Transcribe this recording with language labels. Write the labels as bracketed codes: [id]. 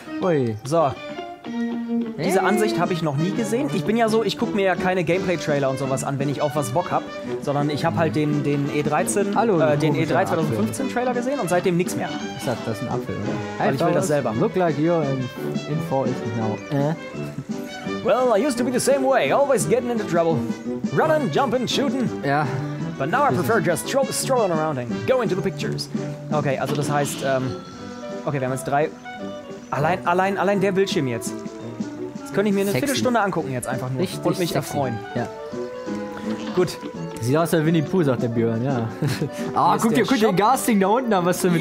[de] Ui. So. Diese Ansicht habe ich noch nie gesehen. Ich bin ja so, ich gucke mir ja keine Gameplay-Trailer und sowas an, wenn ich auf was Bock habe, sondern ich habe halt den E13, hallo, den E3 2015-Trailer gesehen und seitdem nichts mehr. Ich sag, das ist ein Apfel, oder? Weil ich will das selber. [en] Look like you're in 4 now. Well, I used to be the same way, always getting into trouble. Running, jumping, shooting. [de] Ja. [en] But now I prefer just strolling around and going to the pictures. [de] Okay, also das heißt, okay, wir haben jetzt drei... Allein der Bildschirm jetzt. Das könnte ich mir eine sexy Viertelstunde angucken jetzt einfach nur. Richtig und mich sexy erfreuen. Ja. Gut. Sieht aus wie Winnie Pooh, sagt der Björn, ja. Ah, guck dir den Gasting da unten an, was ist denn mit